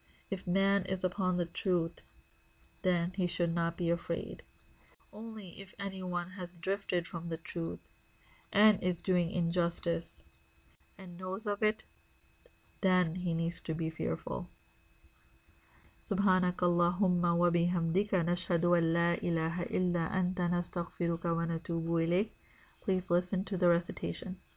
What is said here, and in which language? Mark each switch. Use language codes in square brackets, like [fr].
[en] If man is upon the truth, then he should not be afraid. Only if anyone has drifted from the truth and is doing injustice and knows of it, then he needs to be fearful. [ar] سبحانك اللهم وبحمدك نشهد أن لا إله إلا أنت نستغفرك ونتوب إليك. [en] Please listen to the recitation.